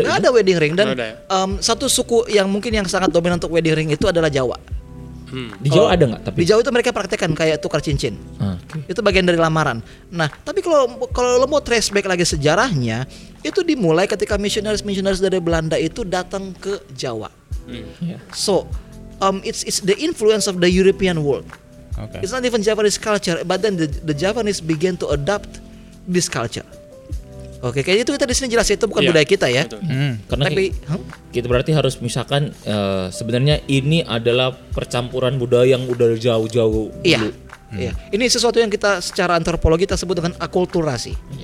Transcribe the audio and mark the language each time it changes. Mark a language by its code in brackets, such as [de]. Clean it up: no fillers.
[id] Enggak ada wedding ring dan satu suku yang mungkin yang sangat dominan untuk wedding ring itu adalah Jawa. Di Jawa ada enggak tapi? Di Jawa itu mereka praktekkan kayak tukar cincin. Itu bagian dari lamaran. Nah, tapi kalau lo mau trace back lagi sejarahnya, itu dimulai ketika missionaries dari Belanda itu datang ke Jawa. [en] So, it's the influence of the European world. It's not even Japanese culture, but then the Japanese began to adapt this culture. [id] Oke, kayak itu kita di sini jelas itu bukan budaya kita ya. Karena kita berarti harus misalkan sebenarnya ini adalah percampuran budaya yang udah jauh-jauh dulu. Iya. Ini sesuatu yang kita secara antropologi kita sebut dengan akulturasi.